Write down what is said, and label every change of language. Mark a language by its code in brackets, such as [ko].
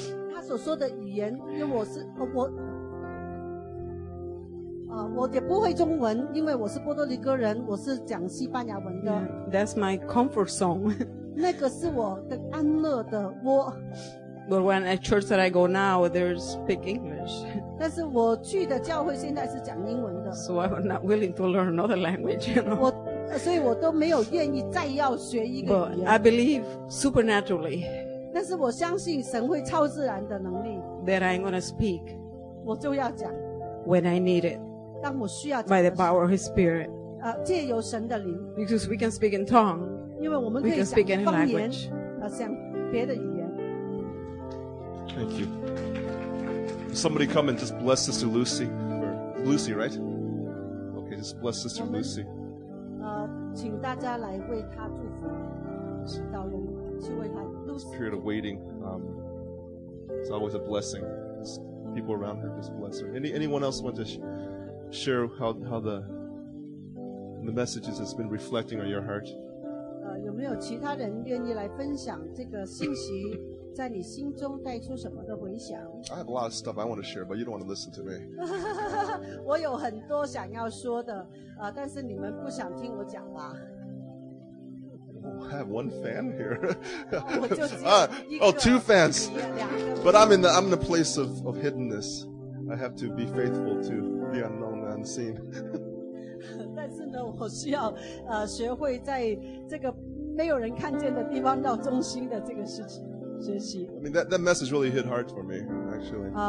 [zh] 他所说的语言，因为我也不会中文， 因为我是波多黎各人， 我是讲西班牙文的。 [en] That's my comfort zone. [zh] 那个是我的安乐的窝。 [en] But when at church that I go now, they speak English. [zh] 但是我去的教会现在是讲英文的。 [en] So I'm not willing to learn another language, you know. [zh] 所以我都没有愿意再要学一个语言。 [en] But I believe supernaturally. [zh] 但是我相信神会超自然的能力。 [en] That I'm going to speak. [zh] 我就要讲。 [en] When I need it. [zh] 当我需要讲的时候, [en] by the power of His Spirit. [zh] 借由神的灵。 [en] Because we can speak in tongue. [zh] 因为我们可以讲方言, [en] we can speak any language. [zh] 讲别的语言。 [en] Thank you. Somebody come and just bless Sister Lucy. Lucy, right? Okay, just bless Sister Lucy. [zh] 请大家来为她祝福，祷告，去为她。 [en] Spirit of waiting. It's always a blessing. It's people around her just bless her. Anyone else want to share how the messages has been reflecting on your heart? [zh] 有没有其他人愿意来分享这个信息？ [en] I have a lot of stuff I want to share, but you don't want to listen to me. [zh] 我有很多想要说的, 但是你们不想听我讲吧? [en] I have one fan here. [zh] 我就只有一个, [en] oh, two fans. But I'm in the place of hiddenness. I have to be faithful to the unknown and unseen. [zh] 但是呢,我需要, 学会在这个没有人看见的地方到中心的这个事情。 [en] I mean, that message really hit hard for me, actually.